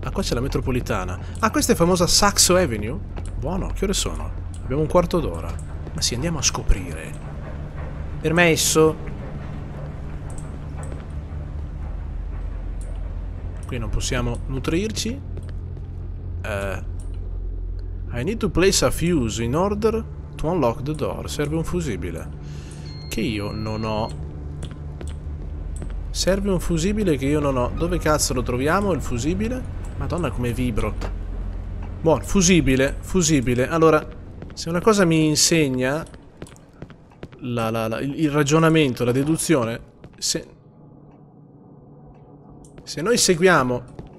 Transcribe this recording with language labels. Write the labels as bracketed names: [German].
[Italian] Ah, qua c'è la metropolitana. Ah, questa è famosa Saxo Avenue. Buono, che ore sono? Abbiamo un quarto d'ora. Ma sì, andiamo a scoprire. Permesso. Qui non possiamo nutrirci. [English] I need to place a fuse in order to unlock the door. [Italian] Serve un fusibile. Che io non ho. Serve un fusibile che io non ho. Dove cazzo lo troviamo il fusibile? Madonna come vibro. Buono, fusibile. Allora, se una cosa mi insegna il ragionamento, la deduzione, se noi seguiamo...